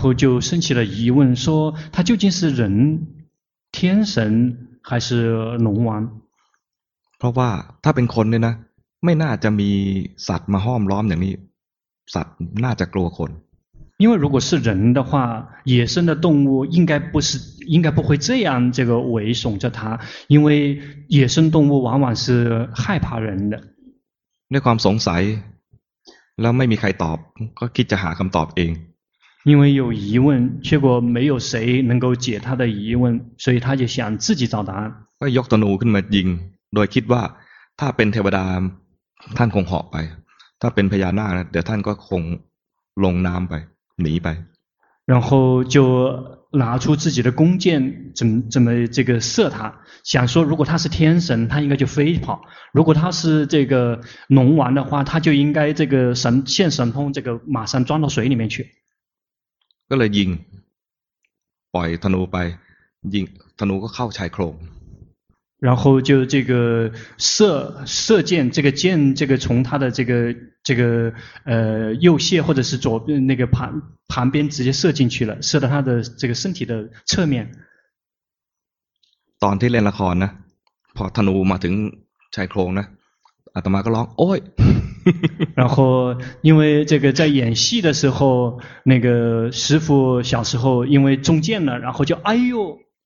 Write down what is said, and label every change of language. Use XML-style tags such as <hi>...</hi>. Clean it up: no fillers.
<zh>然后就升起了疑问说他究竟是人天神还是龙王</zh> <th>เพราะว่าถ้าเป็นคนเนี่ยนะไม่น่าจะมีสัตว์มาห้อมล้อมอย่างนี้สัตว์น่าจะกลัวคน</th> <zh>因为如果是人的话野生的动物应该不是应该不会这样这个围耸着他因为野生动物往往是害怕人的</zh> <th>ด้วยความสงสัยแล้วไม่มีใครตอบก็คิดจะหาคำตอบเอง</th> <zh>因为有疑问结果没有谁能够解他的疑问所以他就想自己找答案</zh> <th>ก็ยกธนูขึ้นมายิงโดยคิดว่าถ้าเป็นเทวดาท่านคงเหาะไปถ้าเป็นพญานาคนะเดี๋ยวท่านก็คงลงน้ำไปหนีไป</th> <zh>然后就拿出自己的弓箭怎么这个射他想说如果他是天神他应该就飞跑如果他是这个龙王的话他就应该这个神现神通这个马上钻到水里面去</zh> <th>ก็เลยยิงปล่อยธนูไปยิงธนูก็เข้าชายโครง</th> <zh>然后就这个射箭这个箭这个从他的这个右胁或者是左那个旁边直接射进去了射到他的这个身体的侧面</zh> <th>ตอนที่เล่นละครนะพอธนูมาถึงชายโครงนะอาตมาก็ร้องโอ้ย</th> <zh>然后因为这个在演戏的时候那个师父小时候因为中箭了然后就哎呦</zh>